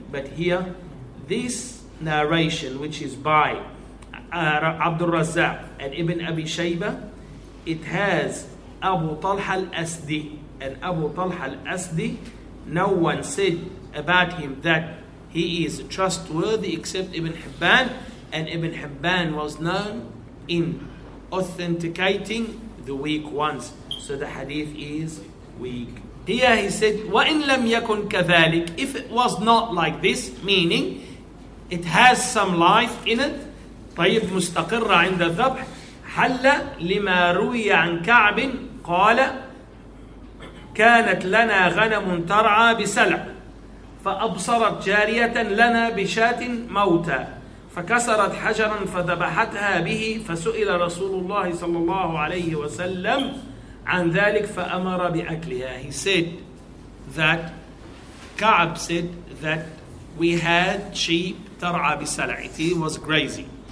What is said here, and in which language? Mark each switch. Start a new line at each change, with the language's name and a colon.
English: But here, this narration, which is by Abdul Razzaq and Ibn Abi Shayba, it has Abu Talha al-Asdi. And Abu Talha al-Asdi, no one said about him that he is trustworthy except Ibn Hibban, and Ibn Hibban was known in authenticating the weak ones. So the hadith is weak. Here he said,
Arabic: وَإِن لَمْ يَكُنْ كَذَلِكَ,
English: if it was not like this, meaning it has some life in it,
Arabic: طيب مستقرة عند الذبح, حَلَّ لِمَا رُوِيَ عَنْ كَعْبٍ قَالَ كَانَتْ لَنَا غَنَمٌ تَرْعَى بِسَلْعٍ فَأَبْصَرَتْ جَارِيَةً لَنَا بِشَاتٍ مَوْتَى فَكَسَرَتْ حَجَرًا فَذَبَحَتْهَا بِهِ فَسُئِلَ رَسُولُ اللَّهِ صَلَّى اللَّهُ عَلَيْهِ وَسَلَّمْ عَنْ ذَلِكَ فَأَمَرَ بِأَكْلِهَا.
English: He said that Ka'ab said that we had sheep,
Arabic: tar'a bisal'it,
English: he was grazing.